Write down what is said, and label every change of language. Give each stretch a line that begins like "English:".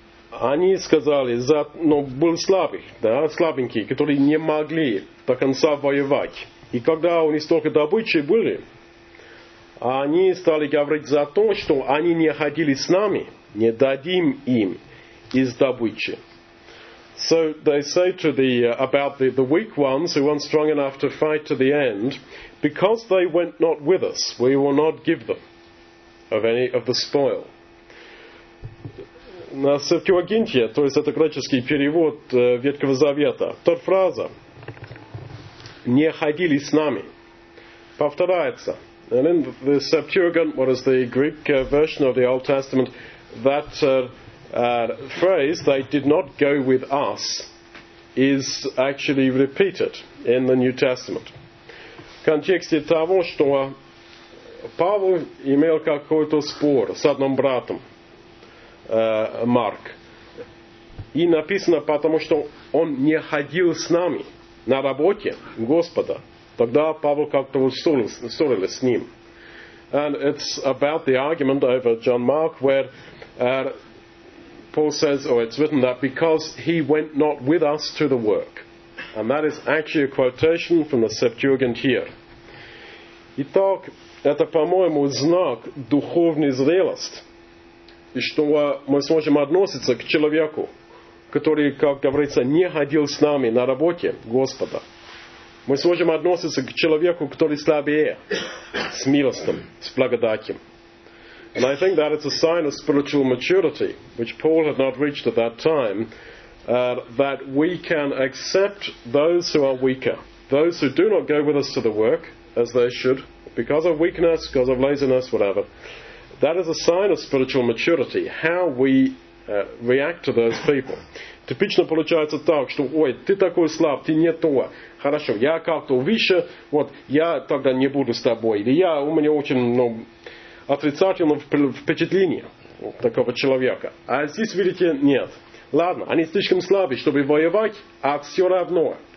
Russian: Они сказали, но был слабый, да, слабенький, которые не могли до конца воевать. И когда у них столько добычи были, они стали говорить за то, что они не ходили с нами, не дадим им из добычи.
English: So they say to the about the weak ones who weren't strong enough to fight to the end, because they went not with us, we will not give them of any of the spoil.
Russian: На Септуагинте, то есть это греческий перевод Ветхого Завета, та фраза «не ходили с нами» повторяется.
English: And in the Septuagint, what is the Greek version of the Old Testament, that phrase, they did not go with us, is actually repeated in the New Testament.
Russian: В контексте того, что Павел имел какой-то спор с одним братом, Марк. И написано, потому что он не ходил с нами на работе Господа. Тогда Павел как-то ссорился с ним.
English: And it's about the argument over John Mark where Paul says, or it's written that, because he went not with us to the work. And that is actually a quotation from the Septuagint here.
Russian: Итак, это, по-моему, знак духовной зрелости, что мы сможем относиться к человеку, который, как говорится, не ходил с нами на работе Господа. Мы сможем относиться к человеку, который слабее, с милостным, с благодатью.
English: And I think that it's a sign of spiritual maturity, which Paul had not reached at that time, that we can accept those who are weaker, those who do not go with us to the work, as they should, because of weakness, because of laziness, whatever. That is a sign of spiritual maturity, how we react to those people.
Russian: Типично получается так, что, ой, ты такой слаб, ты не то. Хорошо, я как-то выше, вот, я тогда не буду с тобой. Или я, у меня очень, ну, отрицательное впечатление вот, такого человека. А здесь, видите, нет. Ладно, они слишком слабы, чтобы воевать, а все равно.